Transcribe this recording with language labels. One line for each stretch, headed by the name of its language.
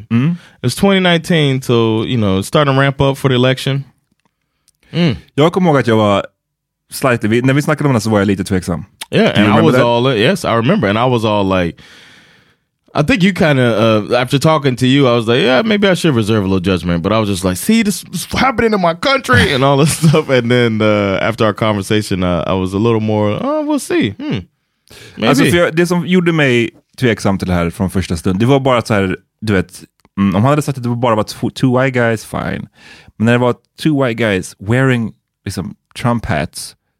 English: It was 2019, so you know, starting ramp up for the election.
Swedish: Jag kommer ihåg att jag var slightly, när vi snackade om det så var jag lite tveksam.
English: Yeah, and I was that? All, yes, I remember, and I was all like, I think you kind of, after talking to you, I was like, yeah, maybe I should reserve a little judgment, but I was just like, see, this is happening in my country, and all this stuff, and then after our conversation, I was a little more, oh, we'll see, maybe.
Swedish: Alltså, det som gjorde mig tveksam till det här från första stund, det var bara så här, du vet, om han hade sagt att det bara var
English: two white guys, fine,
Swedish: men när det var
English: two white guys wearing,
Swedish: liksom, Trump hats,